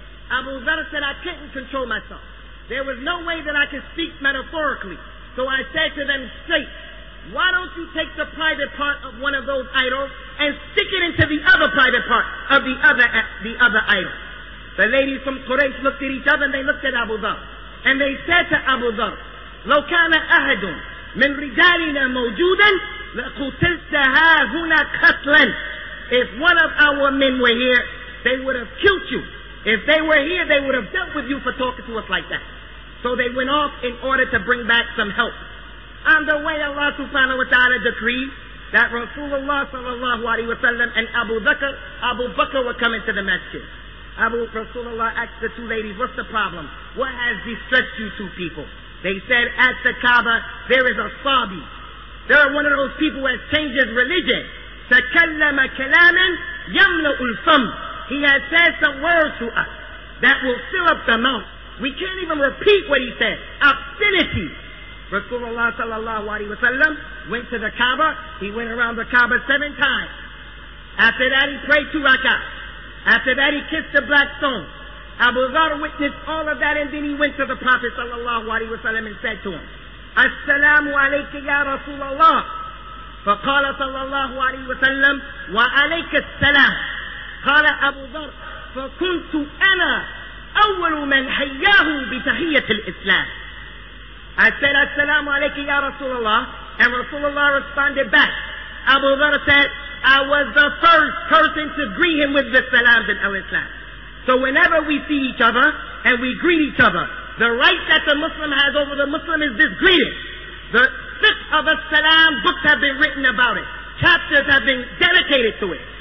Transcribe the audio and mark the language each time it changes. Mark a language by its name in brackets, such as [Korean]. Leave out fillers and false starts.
[English] Abu Dharr said, I couldn't control myself. There was no way that I could speak metaphorically. So I said to them straight, why don't you take the private part of one of those idols and stick it into the other private part of the other idol? The ladies from Quraysh looked at each other and they looked at Abu Dharr. And they said to Abu Dharr, [Arabic] لو كان أحد من رجالنا موجودا لقتلت ها هنا قتلا. [English] If one of our men were here, they would have killed you. If they were here, they would have dealt with you for talking to us like that. So they went off in order to bring back some help. On the way, Allah subhanahu wa ta'ala decreed that Rasulullah sallallahu alayhi wa sallam and Abu Bakr were coming to the masjid. Rasulullah asked the two ladies, what's the problem? What has distressed you two people? They said, at the Kaaba, there is a Sabi. There are one of those people who has changed his religion. [Arabic] تَكَلَّمَ كَلَامًا يَمْلَأُ الْفَمْدِ. [English] He has said some words to us that will fill up the mouth. We can't even repeat what he said. Obscenity. Rasulullah sallallahu alayhi wa sallam went to the Kaaba. He went around the Kaaba 7 times. After that, he prayed 2 rak'ahs. After that, he kissed the black stone. Abu Dharr witnessed all of that, and then he went to the Prophet sallallahu alayhi wa sallam and said to him, As-salamu alayka ya Rasulullah. [Arabic] فَقَالَ sallallahu alayhi wa sallam, وَعَلَيْكَ السَّلَامُ. قَالَ أَبُو دَرْ فَكُنْتُ أَنَا أول من هياه بتحية الإسلام. [English] I said [Arabic] السلام عليك يا رسول الله. [English] And رسول الله responded back. Abu Dhar said, I was the first person to greet him with the salam in al-Islam. So whenever we see each other and we greet each other, the right that the Muslim has over the Muslim is this greeting. The fiqh of al-Salam, books have been written about it. Chapters have been dedicated to it.